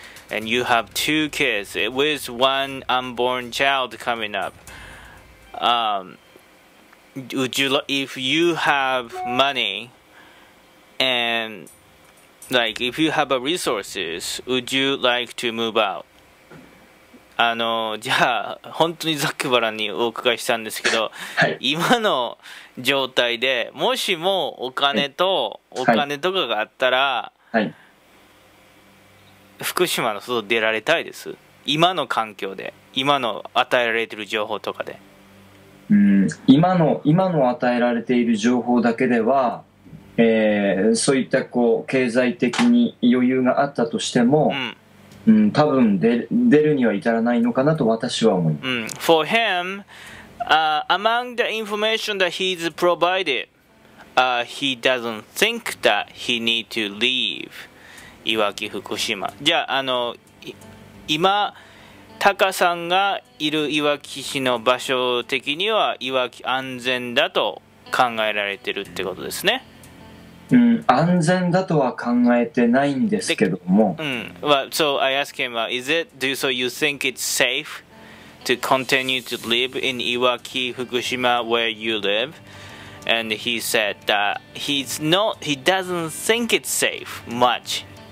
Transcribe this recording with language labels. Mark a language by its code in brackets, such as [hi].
[en] And you have two kids, with one unborn child coming up. If you have money and like if you have a resources, would you like to move out? [ja] じゃあ本当にざっくばらんにお伺いしたんですけど、はい、今の状態でもしもお金とお金とかがあったら、はいはい、福島の外出られたいです？今の環境で、今の与えられている情報とかで。今の与えられている情報だけでは、そういったこう経済的に余裕があったとしても、うんうん、多分出るには至らないのかなと私は思います。 [en] うん、For him,、among the information that he's provided,、he doesn't think that he need to leave いわき福島。 [ja] じゃあ、今タカさんがいるいわき市の場所的にはいわき安全だと考えられてるってことですね。うん、安全だとは考えてないんですけども。うん。 [en] Well, so I ask him, is it, do you, so you think it's safe to continue to live in Iwaki, Fukushima where you live? And he said that he doesn't think it's safe much.